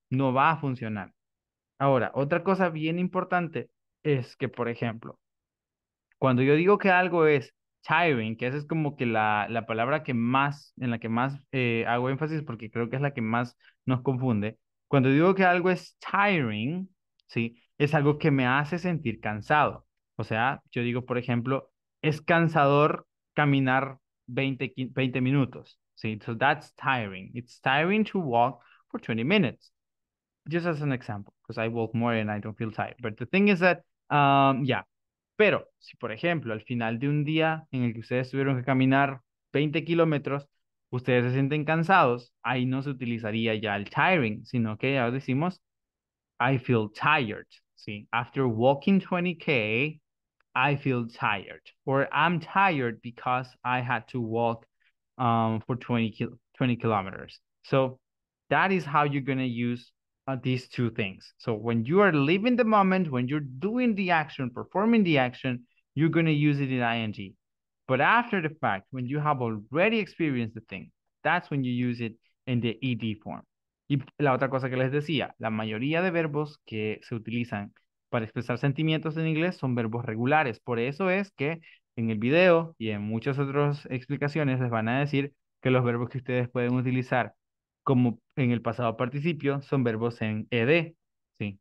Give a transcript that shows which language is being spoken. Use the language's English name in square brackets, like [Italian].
[Spanish] No va a funcionar. Ahora, otra cosa bien importante es que, por ejemplo, cuando yo digo que algo es tiring, que esa es como que la palabra que más, en la que más hago énfasis, porque creo que es la que más nos confunde. Cuando digo que algo es tiring, ¿sí? Es algo que me hace sentir cansado. O sea, yo digo, por ejemplo, es cansador caminar 20 minutos, ¿sí? [English] So that's tiring. It's tiring to walk for 20 minutes. Just as an example, because I walk more and I don't feel tired. But the thing is that, yeah. [Spanish] Pero si, por ejemplo, al final de un día en el que ustedes tuvieron que caminar 20 kilómetros, ustedes se sienten cansados, ahí no se utilizaría ya el tiring, sino que ya decimos, [English] I feel tired, [Spanish] ¿sí? [English] After walking 20K, I feel tired. Or I'm tired because I had to walk for 20 kilometers. So that is how you're going to use these two things. So when you are living the moment, when you're doing the action, performing the action, you're going to use it in ing. But after the fact, when you have already experienced the thing, that's when you use it in the ed form. [Spanish] Y la otra cosa que les decía, la mayoría de verbos que se utilizan para expresar sentimientos en inglés son verbos regulares. Por eso es que en el video y en muchas otras explicaciones les van a decir que los verbos que ustedes pueden utilizar como en el pasado participio son verbos en ed, ¿sí?